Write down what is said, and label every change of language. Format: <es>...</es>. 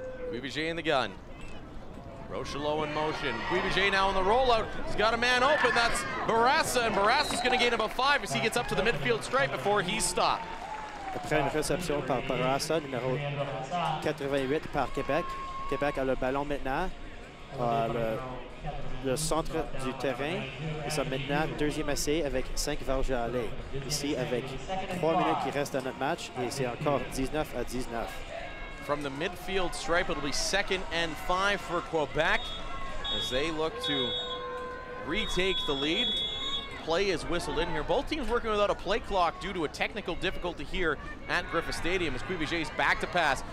<en>Cuivier in the gun. Rochelot in motion. Cuivier now in the rollout. He's got a man open. That's Bourassa, and Barassa's going to gain about 5 as he gets up to the midfield stripe before he's stopped.</en> <fr>Après une réception par Bourassa, numéro 88 par Québec. Québec a le ballon maintenant. Le centre du terrain. Ils sont maintenant deuxième essai avec 5 verges à aller. Ici, avec 3 minutes qui restent dans notre match, et c'est encore 19-19.</fr> <en>From the midfield stripe, it'll be 2nd and 5 for Quebec as they look to retake the lead. Play is whistled in here. Both teams working without a play clock due to a technical difficulty here at Griffith Stadium as Cuivier's back to pass.</en>